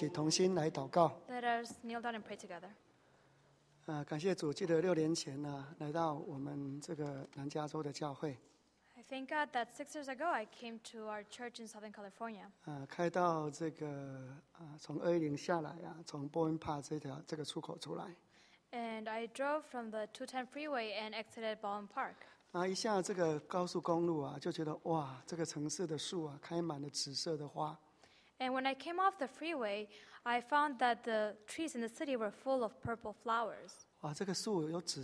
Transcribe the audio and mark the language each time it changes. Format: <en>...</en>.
<en>Let us kneel down and pray together.</en> <zh>感谢主，记得六年前呢，来到我们这个南加州的教会。</zh> <en>I thank God that 6 years ago I came to our church in Southern California.</en> <zh>开到这个从210下来啊，从 Bowen Park 这条出口出来。</zh> <en>And I drove from the 210 freeway and exited Bowen Park.</en> <zh>一下这个高速公路啊，就觉得哇，这个城市的树啊，开满了紫色的花。</zh> <en>And when I came off the freeway, I found that the trees in the city were full of purple flowers.</en>